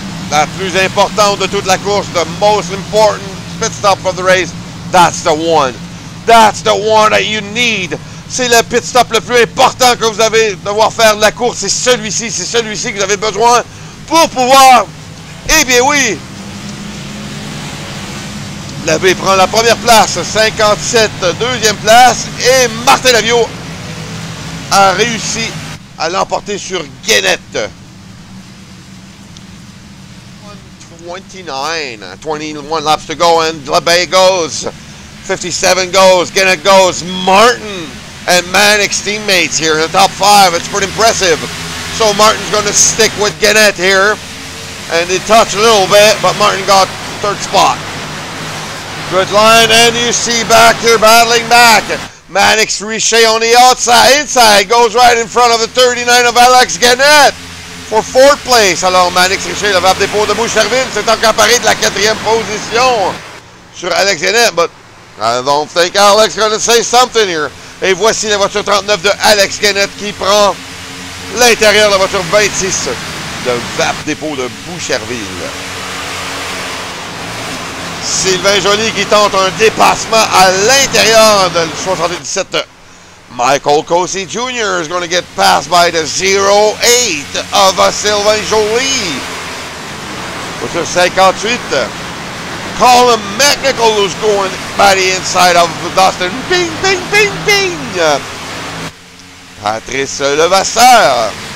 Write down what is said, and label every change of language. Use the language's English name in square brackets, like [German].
[French] La plus importante de toute la course, [English] the most important pit stop of the race, that's the one. That's the one that you need. [French] C'est le pit stop le plus important que vous avez devoir faire de la course. C'est celui-ci que vous avez besoin pour pouvoir. Eh bien oui! Labbe prend la première place, 57, deuxième place. Et Martin Davio a réussi à l'emporter sur Gannett. [English] 21 laps to go, and Labbe goes, 57 goes, Gannett goes, Martin and Mannix teammates here in the top five. It's pretty impressive. So Martin's going to stick with Gannett here, and they touch a little bit, but Martin got third spot. Good line, and you see back here battling back. Maddox Richey on the outside, inside, goes right in front of the 39 of Alex Gannett for fourth place. [French] Alors Maddox Richey, le Vape dépôt de Boucherville, s'est accaparé de la quatrième position sur Alex Gannett, [English] but I don't think Alex is going to say something here. [French] Et voici la voiture 39 de Alex Gannett qui prend l'intérieur de la voiture 26 de Vape dépôt de Boucherville. Sylvain Joly qui tente un dépassement à l'intérieur de 77. [English] Michael Cosi Jr. is going to get passed by the 08 of Sylvain Joly. [French] Voiture 58. [English] Colin McNichol is going by the inside of Dustin. Bing, bing, bing, bing. Patrice Levasseur.